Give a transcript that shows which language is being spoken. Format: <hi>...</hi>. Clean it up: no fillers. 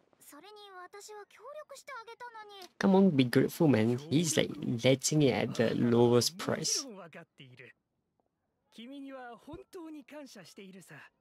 <ja>それに私は協力してあげたのに。</ja> <en>Come on, be grateful, man. He's like letting it at the lowest price.</en> <ja>分かっている。君には本当に感謝しているさ。</ja>